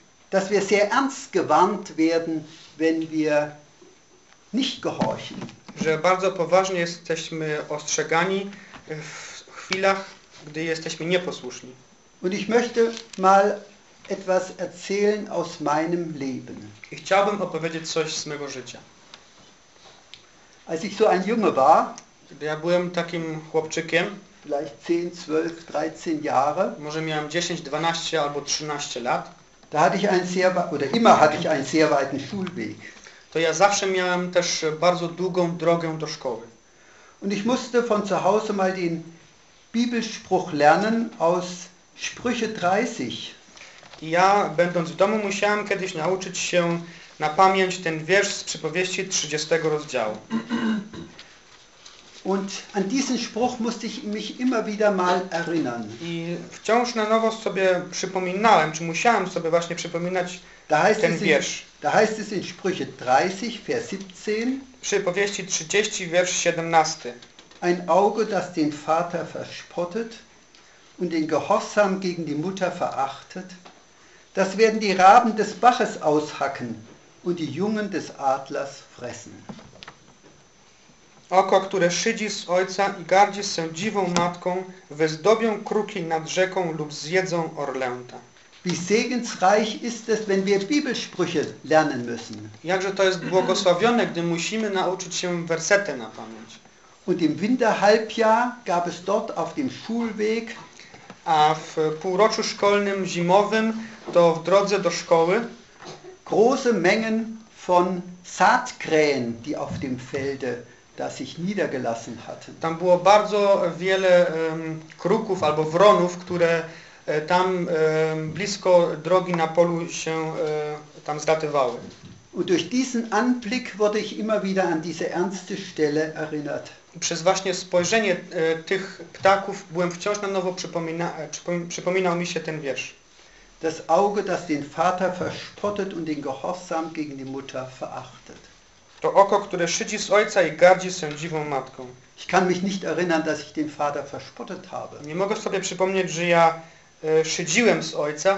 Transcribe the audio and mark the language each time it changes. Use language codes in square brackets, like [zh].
[de] dass wir sehr ernst gewarnt werden, wenn wir nicht gehorchen. [pl] Że bardzo poważnie jesteśmy ostrzegani w chwilach, gdy jesteśmy nieposłuszni. [de] Und ich möchte mal etwas erzählen aus meinem Leben. [pl] I chciałbym opowiedzieć coś z mego życia. [de] Als ich so ein Junge war, [pl] ja byłem takim chłopczykiem, [de] vielleicht 10, 12, 13 Jahre, [pl] może miałem 10, 12 albo 13 lat, [de] da hatte ich einen sehr, oder immer hatte ich einen sehr weiten Schulweg. [pl] To ja zawsze miałem też bardzo długą drogę do szkoły. [de] Und ich musste von zu Hause mal den Bibelspruch lernen aus Sprüche 30. [pl] I ja, będąc w domu, musiałem kiedyś nauczyć się na pamięć ten wiersz z Przypowieści 30 rozdziału. [de] Und an diesen Spruch musste ich mich immer wieder mal erinnern. [pl] I wciąż na nowo sobie przypominałem, czy musiałem sobie właśnie przypominać ten wiersz. [de] Da heißt es in Sprüche 30, Vers 17. [pl] Przypowieści 30, wiersz 17. [de] Ein Auge, das den Vater verspottet und den Gehorsam gegen die Mutter verachtet, das werden die Raben des Baches aushacken und die Jungen des Adlers fressen. [pl] Oko, które szydzi z ojca i gardzi sędziwą matką, wyzdobią kruki nad rzeką lub zjedzą orlęta. [de] Wie segensreich ist es, wenn wir Bibelsprüche lernen müssen. [pl] Jakże to jest błogosławione, gdy musimy nauczyć się wersety na pamięć. [de] Und im Winterhalbjahr gab es dort auf dem Schulweg, [pl] a w półroczu szkolnym zimowym, to w drodze do szkoły, [de] große Mengen von Saatkrähen, die auf dem Felde das sich niedergelassen hatte. [pl] Tam było bardzo wiele kruków albo wronów, które tam blisko drogi na polu się tam zlatywały. [de] Und durch diesen Anblick wurde ich immer wieder an diese ernste Stelle erinnert. [pl] Przez właśnie spojrzenie tych ptaków byłem wciąż na nowo przypominał mi się ten wiersz. [de] Das Auge, das den Vater verspottet und den Gehorsam gegen die Mutter verachtet. [pl] To oko, które szydzi z ojca i gardzi sędziwą matką. [de] Ich kann mich nicht erinnern, dass ich den Vater verspottet habe. [pl] Nie mogę sobie przypomnieć, że ja szydziłem z ojca.